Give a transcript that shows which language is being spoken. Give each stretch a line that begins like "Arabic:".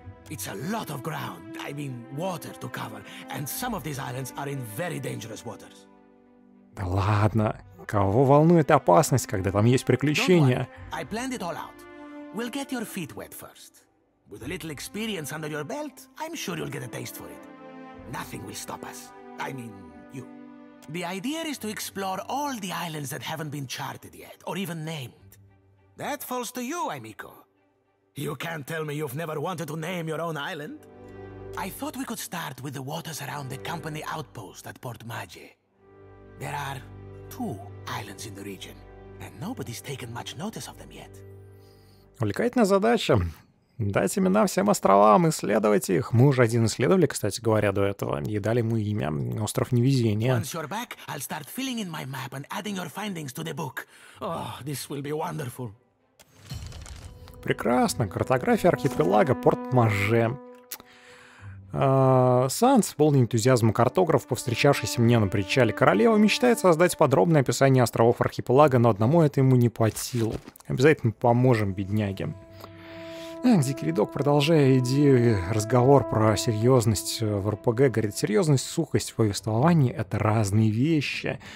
English: It's a lot of ground, I mean, water to cover, and some of these islands are in very dangerous waters.
Russian: Да ладно! Кого волнует опасность, когда там есть приключения?
English: Don't worry, I planned it all out. We'll get your feet wet first. With a little experience under your belt, I'm sure you'll get a taste for it. Nothing will stop us. I mean, you. The idea is to explore all the islands that haven't been charted yet, or even named. That falls to you, Aimiko. You can't tell me you've never wanted to name your own island. I thought we could start with the waters around the company outpost at Port Maje. There are two islands in the region, and nobody's taken much notice of them yet.
Russian: Увлекательная задача. Дать имена всем островам, исследовать их. Мы уже один исследовали, кстати говоря, до этого, и дали ему имя Остров Невезения.
English: Once you're back, I'll start filling in my map and adding your findings to the book. Oh, this will be wonderful.
Russian: Прекрасно. Картография архипелага Порт-Маже. Санс, полный энтузиазма картограф, повстречавшийся мне на причале королевы, мечтает создать подробное описание островов архипелага, но одному это ему не под силу. Обязательно поможем бедняге. Дикий рядок, продолжая идею разговор про серьезность в РПГ, говорит, серьезность, сухость в повествовании — это разные вещи.